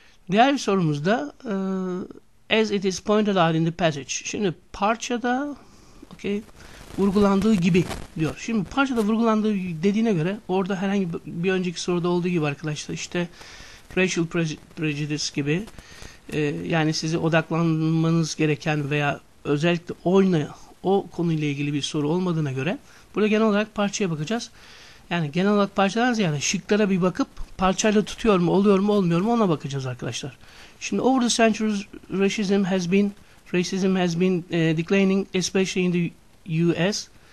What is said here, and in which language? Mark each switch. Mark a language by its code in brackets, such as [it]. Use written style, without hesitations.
[tr] Diğer sorumuzda [en] as it is pointed out in the passage. [tr] Şimdi parçada vurgulandığı gibi diyor. Şimdi parçada vurgulandığı dediğine göre orada herhangi bir önceki soruda olduğu gibi arkadaşlar işte [en] racial prejudice [tr] gibi yani sizi odaklanmanız gereken veya özellikle oyna o konuyla ilgili bir soru olmadığına göre burada genel olarak parçaya bakacağız. Yani genel olarak parçadan ziyade şıklara bir bakıp parçayla tutuyor mu, oluyor mu, olmuyor mu ona bakacağız arkadaşlar. Şimdi [en] over the centuries racism has been declining especially in the US.